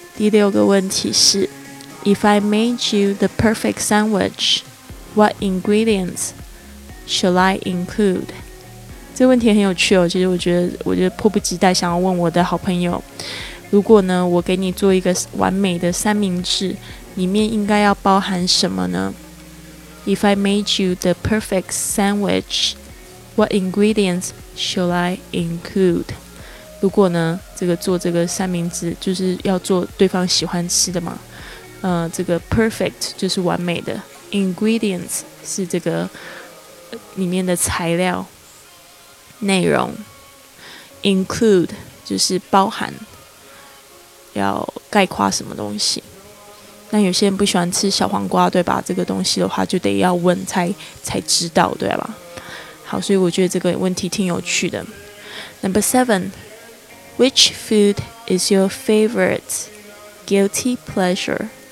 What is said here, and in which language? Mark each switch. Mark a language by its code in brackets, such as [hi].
[zh] 第六个问题是 [en] If I made you the perfect sandwich, what ingredients shall I include? [zh] 这个问题很有趣哦，其实我觉得迫不及待想要问我的好朋友，如果呢我给你做一个完美的三明治，里面应该要包含什么呢？ [en] If I made you the perfect sandwich, what ingredients shall I include? [zh] 如果呢这个做这个三明治就是要做对方喜欢吃的嘛，这个 perfect 就是完美的， ingredients 是这个里面的材料内容， include 就是包含，要概括什么东西。那有些人不喜欢吃小黄瓜对吧，这个东西的话就得要问才知道对吧。好，所以我觉得这个问题挺有趣的。 [en] Number 7 Which food is your favorite guilty pleasure?